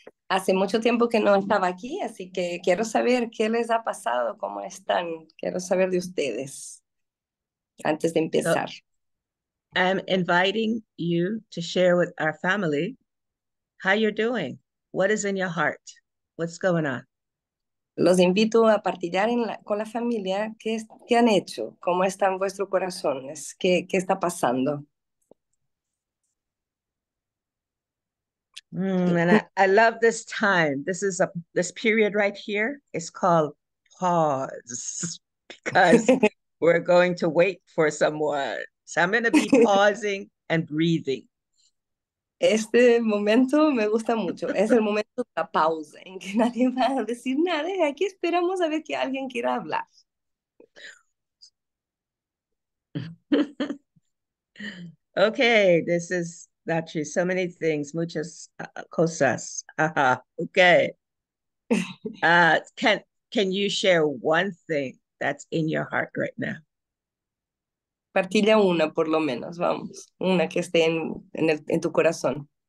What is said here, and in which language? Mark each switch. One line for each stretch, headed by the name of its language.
Spanish: Hace mucho tiempo que no estaba aquí, así que quiero saber qué les ha pasado, cómo están. Quiero saber de ustedes antes de
English: So,
Spanish: empezar.
English: I'm inviting you to share with our family how you're doing. What is in your heart? What's going on?
Spanish: Los invito a partillar en la, con la familia qué han hecho, cómo están vuestros corazones, qué está pasando.
English: And I love this time. This period right here is called pause because we're going to wait for someone. So I'm going to be pausing and breathing.
Spanish: Este momento me gusta mucho. Es el momento de la pausa en que nadie va a decir nada y aquí esperamos a ver que alguien quiera hablar.
English: Okay, this is actually so many things,
Spanish: muchas cosas.
English: Okay. Can you share one thing that's in your heart right now?
Spanish: Partilla una, por lo menos, vamos, una que esté en tu corazón.